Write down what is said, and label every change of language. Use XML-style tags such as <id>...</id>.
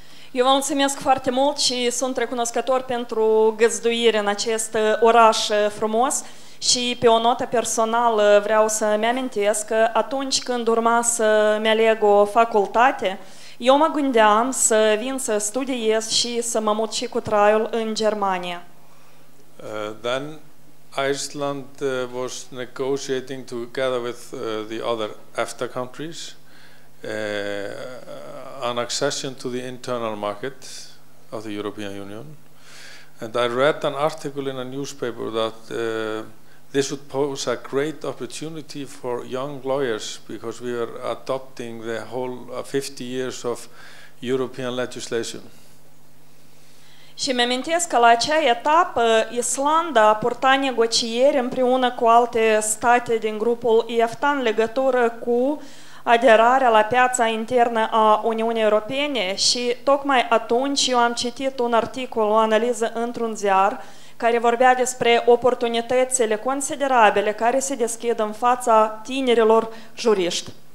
<ro>Eu vă mulțumesc foarte mult și sunt recunoscător pentru găzduire în acest oraș frumos. Și pe o notă personală vreau să-mi amintesc că atunci când urma să-mi aleg o facultate, eu mă gândeam să vin să studiez și să mă mut și cu traiul în Germania.</ro> <en>Then Iceland was negotiating together with the other EFTA countries an accession to the internal market of the European Union. And I read an article in a newspaper that this would pose a great opportunity for young lawyers because we are adopting the whole 50 years of European legislation.</en> <ro>Și mi-amintesc că la acea etapă Islanda purta negocieri împreună cu alte state din grupul EFTA în legătură cu aderarea la piața internă a Uniunii Europene și tocmai atunci eu am citit un articol, o analiză într-un ziar care vorbea despre oportunitățile considerabile care se deschid în fața tinerilor juriști.</ro>